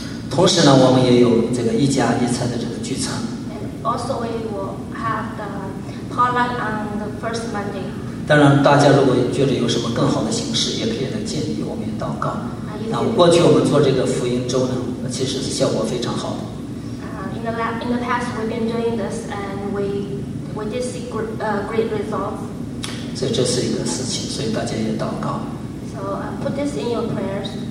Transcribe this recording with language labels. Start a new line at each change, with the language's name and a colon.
Chinese: 同时呢，我们也有这个一家一餐的这个聚餐。
English: And also we will have the potluck on the first Monday.
Chinese: 当然，大家如果觉得有什么更好的形式，也可以来建议我们祷告。那过去我们做这个福音周呢，其实是效果非常好的。
English: In the past we've been doing this and we did see great results.
Chinese: 所以这是一个事情，所以大家也祷告。
English: So put this in your prayers.